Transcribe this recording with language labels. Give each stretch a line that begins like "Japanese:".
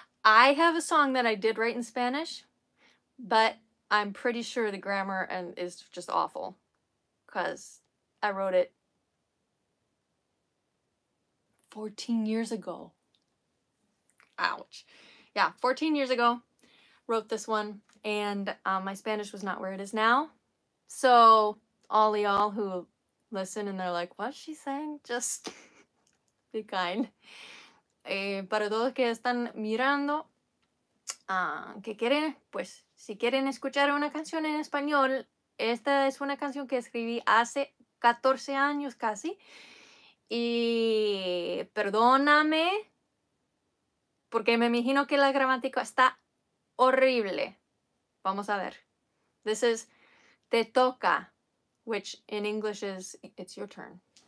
English: I have a song that I did write in Spanish, but I'm pretty sure the grammar is just awful, because I wrote it 14 years ago. Ouch. Yeah, 14 years ago, wrote this one. And my Spanish was not where it is now. So all y'all who listen and they're like, what's she saying? Just be kind.
Spanish: Para todos que están mirando, que quieren, pues, si quieren escuchar una canción en español, esta es una canción que escribí hace 14 años casi. Y perdóname, porque me imagino que la gramática está horrible. Vamos a ver.
English: This is
Spanish: te toca,
English: which in English is it's your turn.